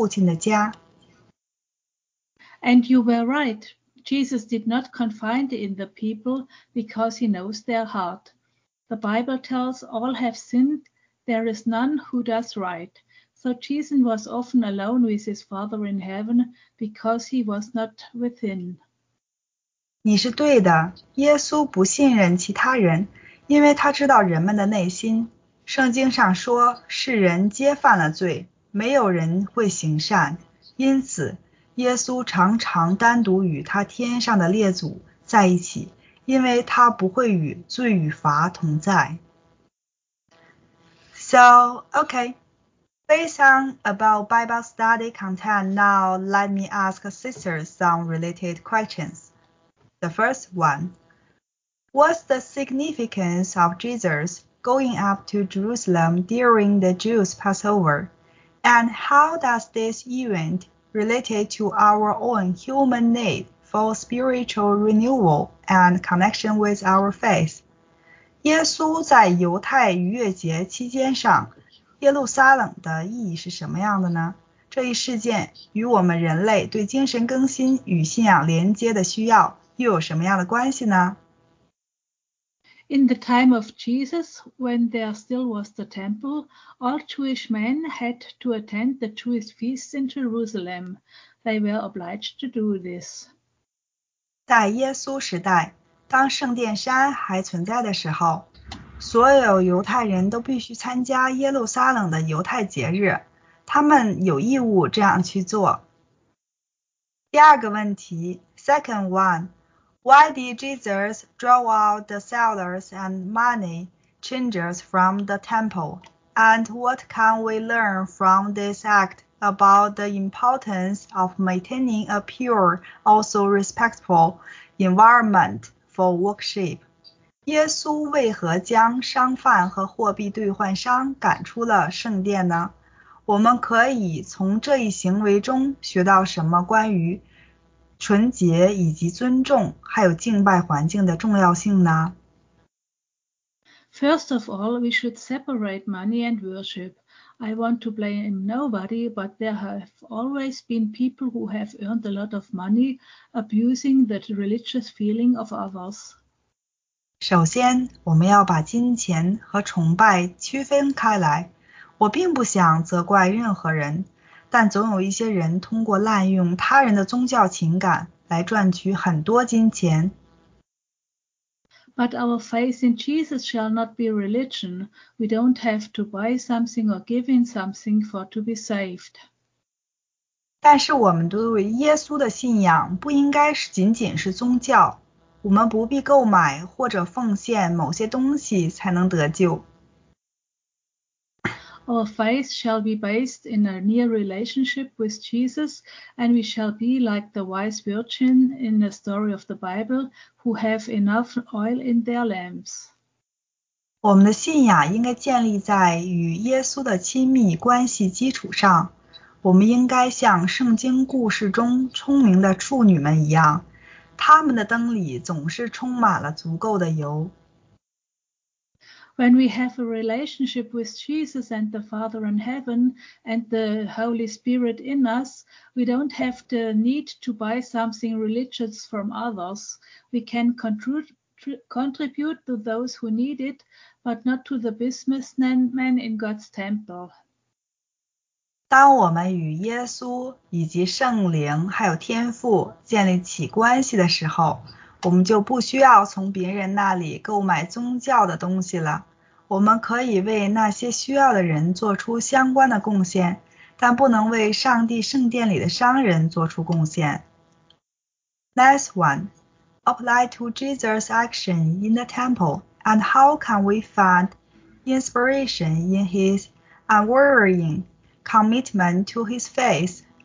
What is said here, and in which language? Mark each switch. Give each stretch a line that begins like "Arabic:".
Chinese: 这就是他如此不安的中心点。请想象一下，外国人来到你家的客厅，建立了一个市场。我想你也会对这些人感到愤怒，所以耶稣是在保卫他父亲的家。
English: And you were right. Jesus did not confide in the people because he knows their heart. The Bible tells all have sinned. There is none who does right. So Jesus was often alone with his Father in heaven because he was not within.
Chinese: 你是对的，耶稣不信任其他人，因为他知道人们的内心。圣经上说，世人皆犯了罪，没有人会行善，因此耶稣常常单独与他天上的列祖在一起，因为他不会与罪与罚同在。
English: So, okay. Based on about Bible study content, now let me ask sisters some related questions. The first one, What's the significance of Jesus going up to Jerusalem during the Jews' Passover? And how does this event relate to our own human need for spiritual renewal and connection with our faith?
Chinese: 耶稣在犹太逾越节期间上耶路撒冷的意义是什么样的呢？这一事件与我们人类对精神更新与信仰连接的需要又有什么样的关系呢？
English: In the time of Jesus, when there still was the temple, all Jewish men had to attend the Jewish feasts in Jerusalem. They were obliged to do this.
Chinese: 在耶稣时代，当圣殿山还存在的时候，所有犹太人都必须参加耶路撒冷的犹太节日，他们有义务这样去做。第二个问题
English: ,second one,Why did Jesus draw out the sellers and money changers from the temple? And what can we learn from this act about the importance of maintaining a pure, also respectful environment for worship?
Chinese: 耶稣为何将商贩和货币兑换商赶出了圣殿呢？我们可以从这一行为中学到什么关于纯洁以及尊重还有敬拜环境的重要性呢？
English: First of all, we should separate money and worship. I want to blame nobody, but there have always been people who have earned a lot of money abusing that religious feeling of others.
Chinese: 首先，我们要把金钱和崇拜区分开来。我并不想责怪任何人，但总有一些人通过滥用他人的宗教情感来赚取很多金钱。
English: But our faith in Jesus shall not be religion. We don't have to buy something or give in something for to be saved.
Chinese: 但是我们对耶稣的信仰不应该仅仅是宗教，我们不必购买或者奉献某些东西才能得救。
English: Our faith shall be based in a near relationship with Jesus, and we shall be like the wise virgin in the story of the Bible who have enough oil in their lamps.
Chinese: 我们的信仰应该建立在与耶稣的亲密关系基础上。我们应该像圣经故事中聪明的处女们一样，他们的灯里总是充满了足够的油。
English: When we have a relationship with Jesus and the Father in heaven and the Holy Spirit in us, we don't have the need to buy something religious from others. We can contribute to those who need it, but not to the businessmen in God's temple.
Chinese: 当我们与耶稣以及圣灵还有天父建立起关系的时候，我们就不需要从别人那里购买宗教的东西了。我们可以为那些需要的人做出相关的贡献，但不能为上帝圣殿里的商人做出贡献。
English: Next one, apply to Jesus' action in the temple, and how can we find inspiration in his unwavering commitment to his faith?